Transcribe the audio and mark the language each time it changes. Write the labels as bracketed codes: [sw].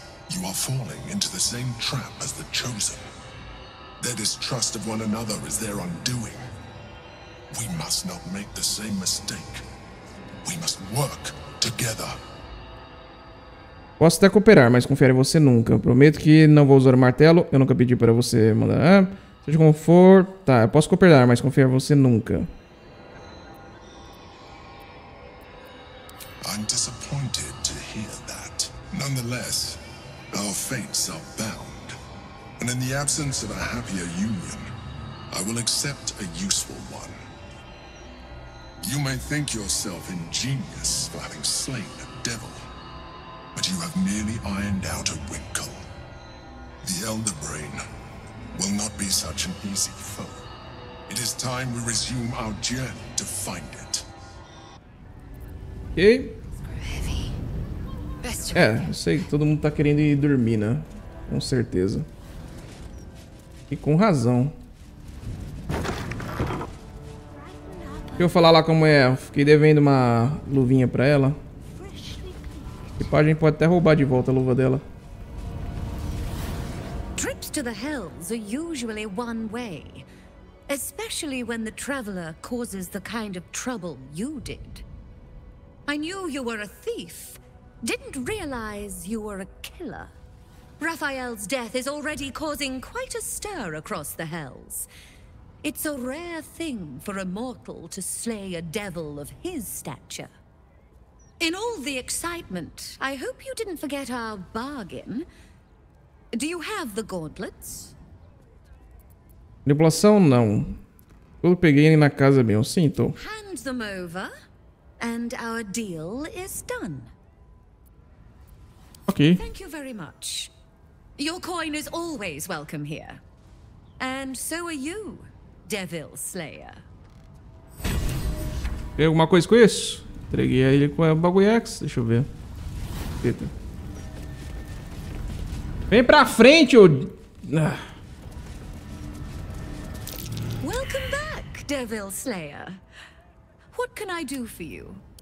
[en] You are falling into the same trap as the Chosen. Their distrust of one another is their undoing. We must not make the same mistake. We must work together. [pt] Posso até cooperar, mas confiar em você nunca. Prometo que não vou usar o martelo. Eu nunca pedi para você mandar. Seja como for. Tá, eu posso cooperar, mas confiar em você nunca. [en] I'm disappointed to hear that. Nonetheless. Our fates are bound, and in the absence of a happier union, I will accept a useful one. You may think yourself ingenious for having slain a devil, but you have merely ironed out a wrinkle. The Elder Brain will not be such an easy foe. It is time we resume our journey to find it. Okay. [pt] É, eu sei que todo mundo tá querendo ir dormir, né? Com certeza. E com razão. Deixa eu falar lá como é. Fiquei devendo uma luvinha pra ela. A equipagem pode até roubar de volta a luva dela. [en] Trips to the Hells are usually one way. Especially when the traveler causes the kind of trouble you did. I knew you were a thief. Didn't realize you were a killer. Raphael's death is already causing quite a stir across the Hells. It's a rare thing for a mortal to slay a devil of his stature. In all the excitement, I hope you didn't forget our bargain. Do you have the gauntlets? [pt] Manipulação, não. Eu peguei ele na casa mesmo, sinto. [en] Hand them over, and our deal is done. Okay. Thank you very much. Your coin is always welcome here. And so are you, Devil Slayer. [pt] Tem alguma coisa com isso? Entreguei ele com o bagulho X. Deixa eu ver. Eita. Vem pra frente, ô. [en] Welcome back, Devil Slayer. What can I do for you?